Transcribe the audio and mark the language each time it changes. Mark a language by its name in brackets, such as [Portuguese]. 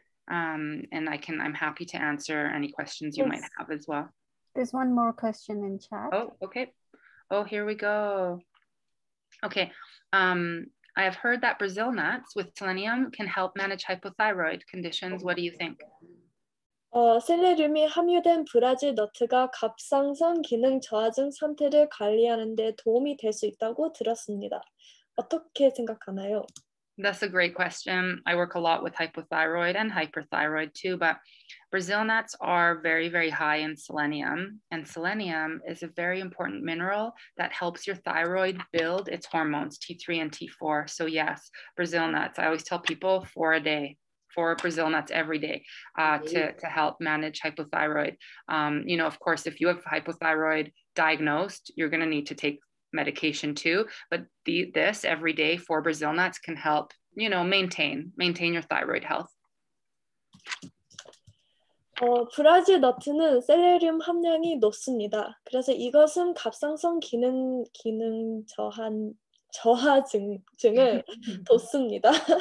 [English] I'm happy to answer any questions you might have as well. There's one more question in chat. Oh, okay. Oh, here we go. Okay. I have heard that Brazil nuts with selenium can help manage hypothyroid conditions. What do you think? [Korean] 셀레늄이 함유된 브라질 너트가 갑상선 기능 저하 증 상태를 관리하는 데 도움이 될 수 있다고 들었습니다. 어떻게 생각하나요? [English] That's a great question. I work a lot with hypothyroid and hyperthyroid too, but Brazil nuts are very, very high in selenium, and selenium is a very important mineral that helps your thyroid build its hormones, T3 and T4. So yes, Brazil nuts. I always tell people four Brazil nuts every day to help manage hypothyroid. You know, of course, if you have hypothyroid diagnosed, you're going to need to take medication too, but this every day, four Brazil nuts can help, you know, maintain your thyroid health. [Korean] 브라질 너트는 셀레늄 함량이 높습니다. 그래서 이것은 갑상선 기능 저하증을 돕습니다.